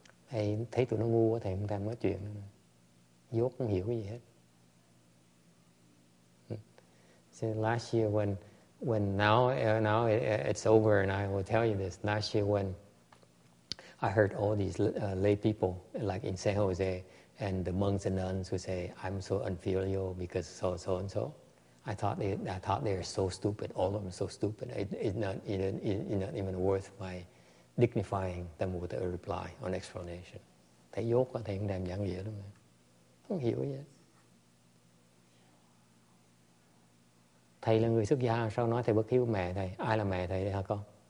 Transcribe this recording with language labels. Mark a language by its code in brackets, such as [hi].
[vi] Thầy thấy tụi nó ngu quá, thầy không tham nói chuyện nữa. Dốt không hiểu cái gì hết. [en] So last year when now it's over and I will tell you this, last year when I heard all these lay people, like in San Jose, and the monks and nuns who say, I'm so unfilial because so, so, and so. I thought they are so stupid, all of them so stupid. It's not even worth my dignifying them with a reply or an explanation. [vi] Thấy dốt quá, thấy không đem giảng nghĩa đâu mà. Không hiểu gì hết. thầy là người xuất gia, sao nói thầy bất hiếu mẹ thầy? Ai là mẹ thầy hả con?